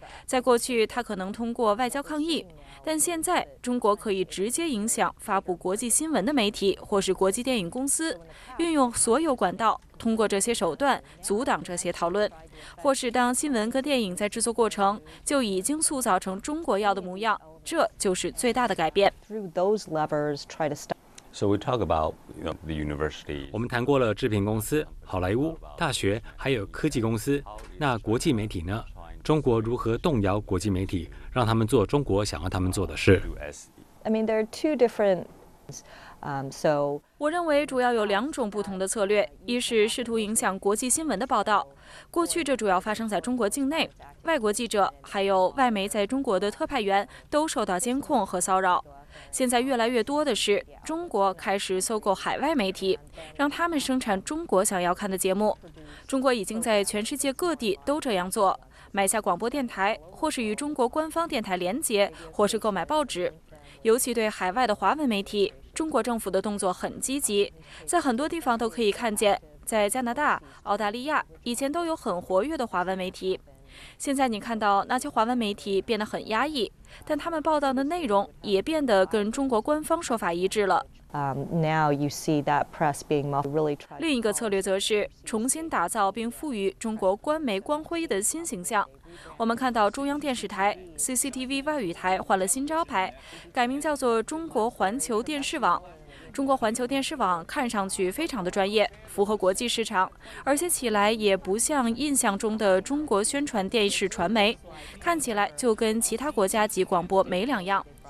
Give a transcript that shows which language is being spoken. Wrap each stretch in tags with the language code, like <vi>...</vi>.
<zh>在过去，它可能通过外交抗议，但现在中国可以直接影响发布国际新闻的媒体或是国际电影公司，运用所有管道，通过这些手段阻挡这些讨论，或是当新闻跟电影在制作过程就已经塑造成中国要的模样，这就是最大的改变。</zh> <en>So we talk about, you know, the university.</en> <zh>我们谈过了制片公司、好莱坞、大学，还有科技公司。那国际媒体呢？中国如何动摇国际媒体，让他们做中国想要他们做的事</zh> <en>？I mean, there are two different.</en> <zh>我认为主要有两种不同的策略，一是试图影响国际新闻的报道。过去这主要发生在中国境内，外国记者还有外媒在中国的特派员都受到监控和骚扰。现在越来越多的是中国开始收购海外媒体，让他们生产中国想要看的节目。中国已经在全世界各地都这样做，买下广播电台，或是与中国官方电台连接，或是购买报纸。尤其对海外的华文媒体，中国政府的动作很积极，在很多地方都可以看见，在加拿大、澳大利亚以前都有很活跃的华文媒体。现在你看到那些华文媒体变得很压抑，但他们报道的内容也变得跟中国官方说法一致了。</zh> <en>Now you see that press being really trying.</en> <zh>另一个策略则是重新打造并赋予中国官媒光辉的新形象。我们看到中央电视台 CCTV 外语台换了新招牌，改名叫做中国环球电视网。中国环球电视网看上去非常的专业，符合国际市场，而且起来也不像印象中的中国宣传电视传媒，看起来就跟其他国家级广播没两样。</zh>